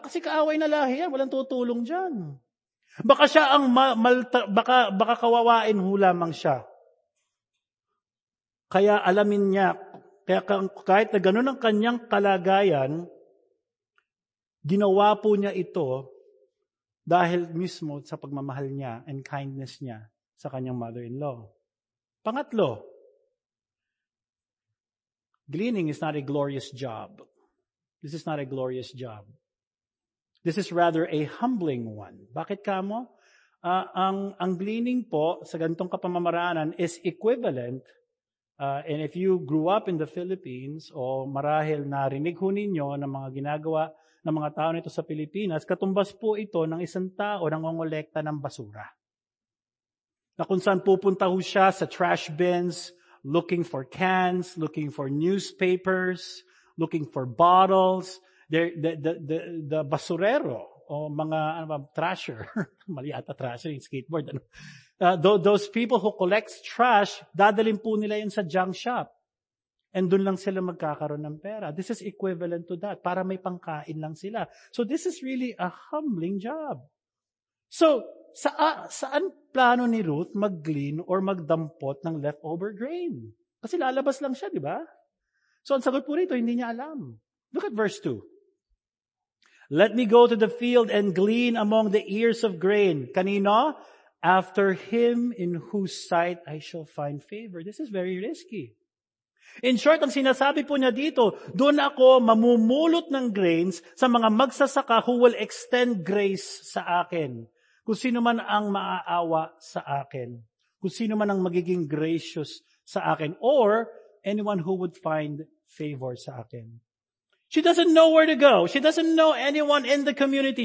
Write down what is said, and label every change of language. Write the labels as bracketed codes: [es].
[tl] Kasi kaaway na lahi yan, walang tutulong diyan. Baka siya ang baka kawawain ho lamang siya. Kaya alamin niya, kaya kahit na ganun ang kanyang kalagayan, ginawa po niya ito dahil mismo sa pagmamahal niya and kindness niya sa kanyang mother-in-law. Pangatlo, [en] gleaning is not a glorious job. This is not a glorious job. This is rather a humbling one. [tl] Bakit kamo? Ang gleaning po sa ganitong kapamamaraanan [en] is equivalent, and if you grew up in the Philippines [tl] o marahil narinig ho ninyo ng mga ginagawa ng mga tao nito sa Pilipinas, katumbas po ito ng isang tao na kongolekta ng basura. Na kung saan pupunta ho siya sa [en] trash bins, looking for cans, looking for newspapers, looking for bottles, the basurero [tl] o mga ano ba, trasher. Mali ata trasher, yung skateboard. Ano? [en] Those people who collect trash, [tl] dadalhin po nila yun sa junk shop. And doon lang sila magkakaroon ng pera. [en] This is equivalent to that. [tl] Para may pangkain lang sila. [en] So this is really a humbling job. [tl] So, saan plano ni Ruth mag-glean or magdampot ng leftover grain? Kasi lalabas lang siya, di ba? So ang sagot po rito, hindi niya alam. [en] Look at verse 2. Let me go to the field and glean among the ears of grain. Kanino? After him in whose sight I shall find favor. This is very risky. [tl] In short, ang sinasabi po niya dito, doon ako mamumulot ng grains sa mga magsasaka [en] who will extend grace [tl] sa akin. Kung sino man ang maaawa sa akin. Kung sino man ang magiging gracious sa akin. [en] Or anyone who would find favor [tl] sa akin. [en] She doesn't know where to go. She doesn't know anyone in the community.